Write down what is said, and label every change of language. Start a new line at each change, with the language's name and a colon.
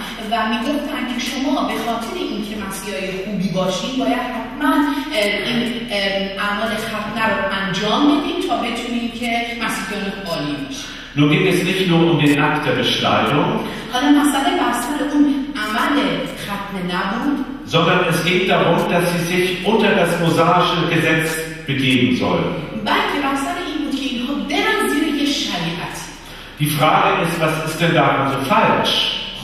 Persian: و میگفتن که شما به خاطر اینکه مسیحای خوبی باشین باید حتما این اعمال ختنه رو انجام بدین تا بتونین که مسیحیان عالی بشین.
German: Nun ging es nicht nur um den Akt der Beschneidung.
Persian: حالا مسئله بسر اون عمل ختنه نبود.
German: Sondern es ging darum, dass sie sich unter das mosaische Gesetz begeben sollen.
Persian: بلکه بسر این بود که اینها برن زیر یه شریعت.
German: Die Frage ist, was ist denn daran so falsch?